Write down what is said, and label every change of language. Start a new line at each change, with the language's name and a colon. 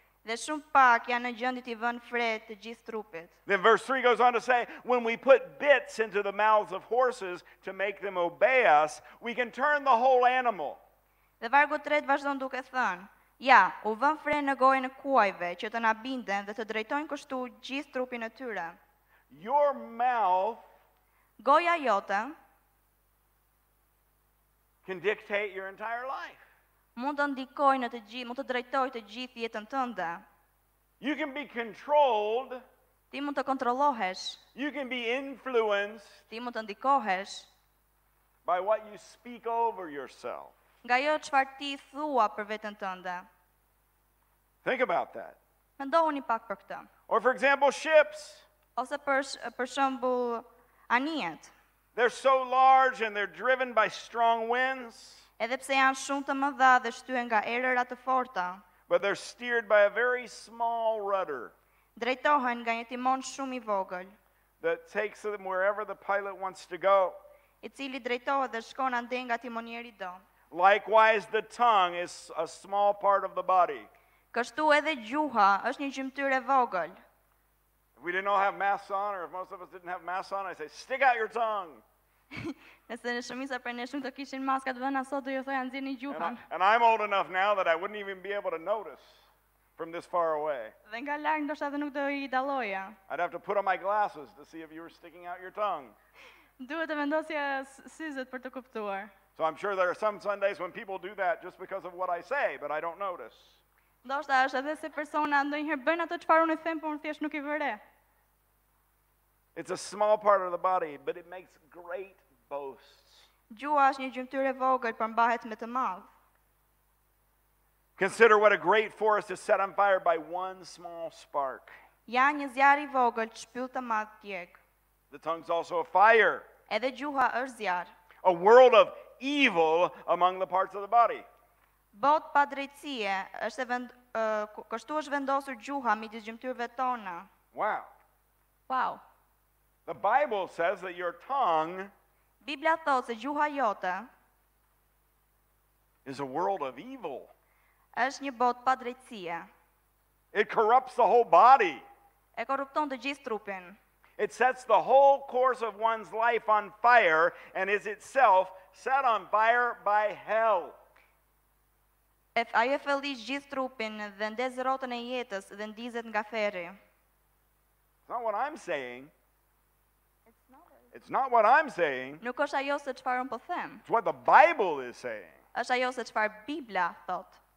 Albanian: Dhe shumë pak janë në gjendje të vënë fre të gjithë trupit.
English: Then verse 3 goes on to say, when we put bits into the mouths of horses to make them obey us, we can turn the whole animal.
Albanian: Dhe vargu 3 vazhdon duke thënë, ja, u vën fre në gojën e kuajve që të na binden dhe të drejtojnë kështu gjithë trupin e tyre.
English: Your mouth,
Albanian: goja jote,
English: can dictate your entire life.
Albanian: Mund të ndikojë në të gjithë, mund të drejtojë të gjithë jetën tënde.
English: You can be controlled.
Albanian: Ti mund të kontrollohesh.
English: You can be influenced.
Albanian: Ti mund të ndikohesh.
English: By what you speak over yourself.
Albanian: Nga ajo çfarë ti thua për veten tënde.
English: Think about that.
Albanian: Mendoni pak për këtë.
English: Or for example, ships.
Albanian: Ose për shembull anijet.
English: They're so large and they're driven by strong winds.
Albanian: Edhe pse janë shumë të mëdha dhe shtyhen nga erëra të forta.
English: But they're steered by a very small rudder.
Albanian: Drejtohen nga një timon shumë I vogël.
English: That takes them wherever the pilot wants to go.
Albanian: I cili drejtohet dhe shkon ande nga timonieri do.
English: Likewise, the tongue is a small part of the body.
Albanian: Kështu edhe gjuha është një gjymtyr e vogël.
English: If we didn't all have masks on, or if most of us didn't have masks on, I say, stick out your tongue.
Albanian: Nëse në shumica prej nesh nuk të kishin maskat vënë sot do ju thoja nxjerrni gjuhën.
English: And I'm old enough now that I wouldn't even be able to notice from this far away.
Albanian: Dhe nga larg ndoshta edhe nuk do I dalloja.
English: I'd have to put on my glasses to see if you were sticking out your tongue.
Albanian: Duhet të vendosja syzet për të kuptuar.
English: So I'm sure there are some Sundays when people do that just because of what I say, but I don't notice.
Albanian: Ndoshta është edhe se persona ndonjëherë bën ato çfarë unë them, por unë thjesht nuk I vëre.
English: It's a small part of the body, but it makes great boasts.
Albanian: Gjuha është një gjymtyr e vogël, por mbahet me të madh.
English: Consider what a great forest is set on fire by one small spark.
Albanian: Ja një zjarr I vogël shpyll të madh djeg.
English: The tongue's also a fire.
Albanian: Edhe gjuha është zjarr.
English: A world of evil among the parts of the body.
Albanian: Bot pa drejtësie, është vend, kështu është vendosur gjuha midis gjymtyrëve tona.
English: Wow. Wow. The Bible says that your tongue
Albanian: Biblia thotë se gjuha jote
English: is a world of evil.
Albanian: Është një bot pa drejtësie.
English: It corrupts the whole body.
Albanian: E korrupton të gjithë trupin.
English: It sets the whole course of one's life on fire and is itself set on fire by hell.
Albanian: If ajo fillis gjithë trupin dhe ndez rrotën e jetës dhe ndizet nga ferri.
English: It's not what I'm saying. It's not what I'm saying.
Albanian: Nuk është ajo se çfarë un po them.
English: It's what the Bible is saying.
Albanian: Është ajo se çfarë Bibla thot.